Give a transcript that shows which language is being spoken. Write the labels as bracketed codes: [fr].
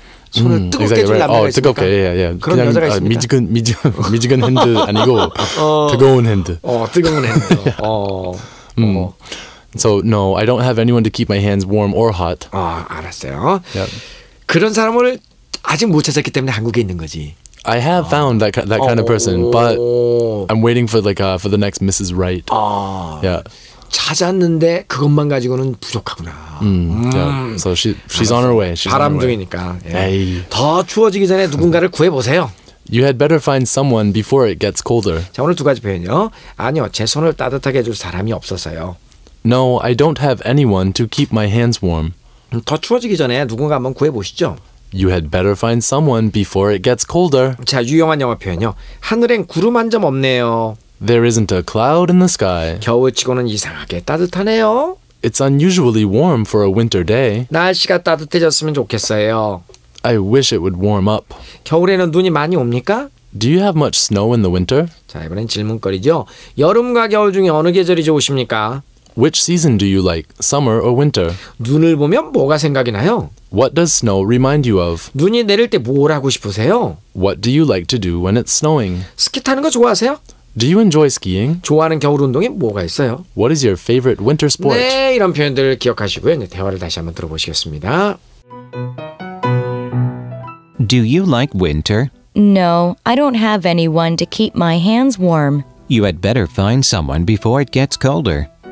[ko] 손을 뜨겁게 [en] exactly, [ko] 줄 남자가 [en] right. [ko] 있습니까? 뜨겁게, 예. 그런 여자가 있습니다. 미지근 핸드 아니고 뜨거운 핸드. 뜨거운 핸드. [en] So no, I don't have anyone to keep my hands warm or hot. [ko] 아, 알았어요. Yep. 그런 사람을 아직 못 찾았기 때문에 한국에 있는 거지. [en] I have found that kind of person, but I'm waiting for like for the next Mrs. Right. [ko] 아, yeah. 찾았는데 그것만 가지고는 부족하구나. [en] Yeah. So she's [ko] 알았어. [en] on her way. She's [ko] 바람둥이니까. 에이. 더 추워지기 전에 누군가를 구해 보세요. [en] You had better find someone before it gets colder. [ko] 자, 오늘 두 가지 표현이요. 아니요, 제 손을 따뜻하게 해줄 사람이 없어서요. [en] No, I don't have anyone to keep my hands warm. [ko] 더 추워지기 전에 누군가 한번 구해보시죠. [en] You had better find someone before it gets colder. [ko] 자, 유용한 영어 표현이요. 하늘엔 구름 한 점 없네요. [en] There isn't a cloud in the sky. [ko] 겨울치고는 이상하게 따뜻하네요. [en] It's unusually warm for a winter day. [ko] 날씨가 따뜻해졌으면 좋겠어요. [en] I wish it would warm up. [ko] 겨울에는 눈이 많이 옵니까? [en] Do you have much snow in the winter? [ko] 자, 이번엔 질문거리죠. 여름과 겨울 중에 어느 계절이 좋으십니까? [en] Which season do you like, summer or winter? [ko] 눈을 보면 뭐가 생각이 나요? [en] What does snow remind you of? [ko] 눈이 내릴 때 뭘 하고 싶으세요? [en] What do you like to do when it's snowing? [ko] 스키 타는 거 좋아하세요? [en] Do you enjoy skiing? [ko] 좋아하는 겨울 운동이 뭐가 있어요? [en] What is your favorite winter sport? [ko] 네, 이런 표현들 기억하시고요. 이제 대화를 다시 한번 들어보시겠습니다. [en] Do you like winter? No, I don't have anyone to keep my hands warm. You had better find someone before it gets colder.